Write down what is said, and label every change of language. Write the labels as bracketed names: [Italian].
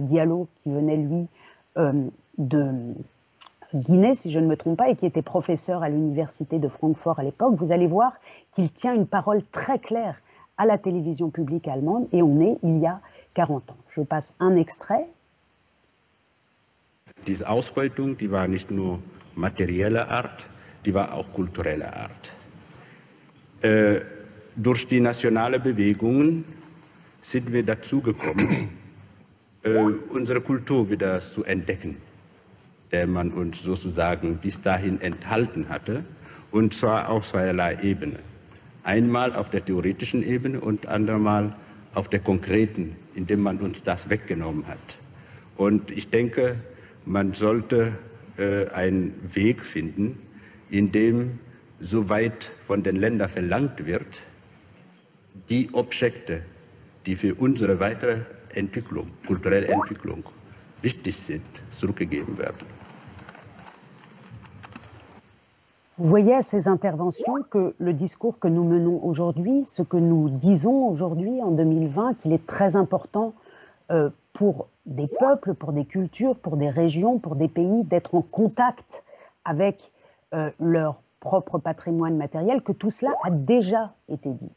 [French] Diallo, qui venait, lui, de Guinée, si je ne me trompe pas, et qui était professeur à l'université de Francfort à l'époque. Vous allez voir qu'il tient une parole très claire à la télévision publique allemande, et on est il y a 40 ans. Je passe un extrait. [German] Diese Ausbeutung, die war nicht nur materielle Art, die war auch kulturelle Art. Durch die nationale Bewegungen sind wir dazu gekommen, unsere Kultur wieder zu entdecken, der man uns sozusagen bis dahin enthalten hatte, und zwar auf zweierlei Ebene. Einmal auf der theoretischen Ebene und andermal auf der konkreten, indem man uns das weggenommen hat. Und ich denke, man sollte einen Weg finden, in dem soweit von den Ländern verlangt wird, die Objekte, die für unsere weitere Entwicklung, kulturelle Entwicklung wichtig sind, zurückgegeben werden. [French] Vous voyez à ces interventions que le discours que nous menons aujourd'hui, ce que nous disons aujourd'hui en 2020, qu'il est très important pour des peuples, pour des cultures, pour des régions, pour des pays, d'être en contact avec leur propre patrimoine matériel, que tout cela a déjà été dit.